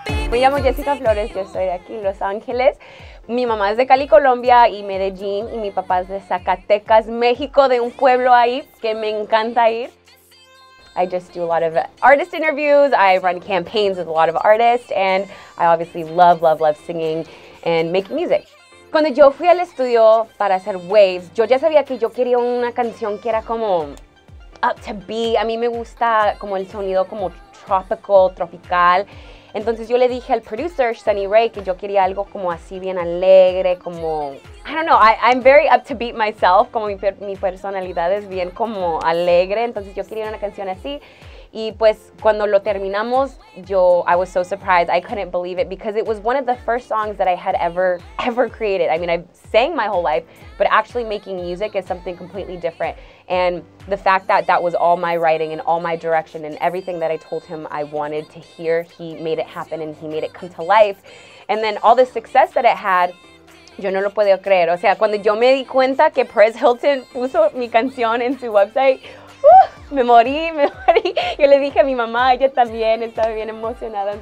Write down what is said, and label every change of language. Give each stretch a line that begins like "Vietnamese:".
Spanish: Me llamo Jessica Flores, yo soy de aquí, Los Ángeles. Mi mamá es de Cali, Colombia, y Medellín, y mi papá es de Zacatecas, México, de un pueblo ahí que me encanta ir.
English: I just do a lot of artist interviews, I run campaigns with a lot of artists, and I obviously love, love, love singing and making music.
Spanish: Cuando yo fui al estudio para hacer Waves, yo ya sabía que yo quería una canción que era como
English: up to beat.
Spanish: A mí me gusta como el sonido como tropical, tropical. Entonces yo le dije al producer, Sunny Ray, que yo quería algo como así bien alegre, como,
English: I don't know, I'm very up to beat myself,
Spanish: como mi personalidad es bien como alegre, entonces yo quería una canción así. Y pues cuando lo terminamos, yo,
English: I was so surprised, I couldn't believe it, because it was one of the first songs that I had ever created. I mean, I've sang my whole life, but actually making music is something completely different. And the fact that that was all my writing and all my direction and everything that I told him I wanted to hear, he made it happen and he made it come to life. And then all the success that it had,
Spanish: yo no lo puedo creer. O sea, cuando yo me di cuenta que Perez Hilton puso mi canción en su website, me morí, me morí. Yo le dije a mi mamá, ella también estaba bien emocionada.